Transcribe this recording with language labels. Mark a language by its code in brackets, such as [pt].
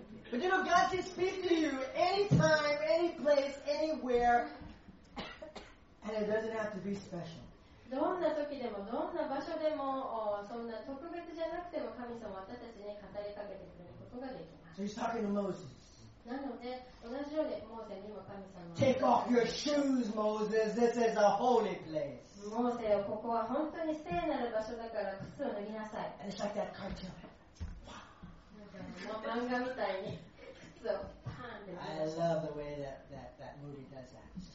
[en] But you know, God can speak to you anytime, any place, anywhere, and it doesn't have to be special. [ja] どんな時でも、どんな場所でも、そんな特別じゃなくても、神様は私たちに語りかけてくれることができます。 [en] So he's talking to Moses. [ja] なので、同じようにモーセにも神様は。 [en] Take off your shoes, Moses. This is a holy place. [ja] モーセよ、ここは本当に聖なる場所だから靴を脱ぎなさい。 [en] And it's like that cartoon. I love the way that movie does that.